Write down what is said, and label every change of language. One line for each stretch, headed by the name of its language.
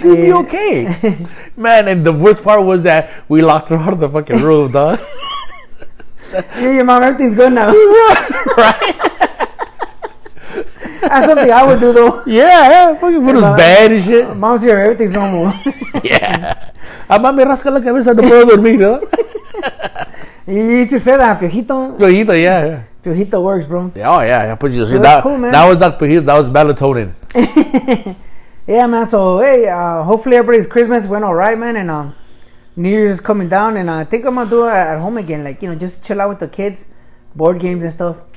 English: She would be okay. Man, and the worst part was that we locked her out of the fucking room, dog. Yeah, your mom, everything's good now. Right? That's something I would do though. Yeah, fucking put us bad and shit. Mom's here, everything's normal. Yeah.
Spanish: Mami rasca la cabeza, no puedo dormir, ¿no?
English: You used to say that, Piojito. Piojito, yeah. Piojito works, bro. Oh, yeah. I put you to sleep. That, cool, man. That was not Piojito, that was melatonin. Yeah, man. So, hey, hopefully everybody's Christmas went all right, man. And New Year's is coming down. And I think I'm going to do it at home again. Like, you know, just chill out with the kids, board games and stuff.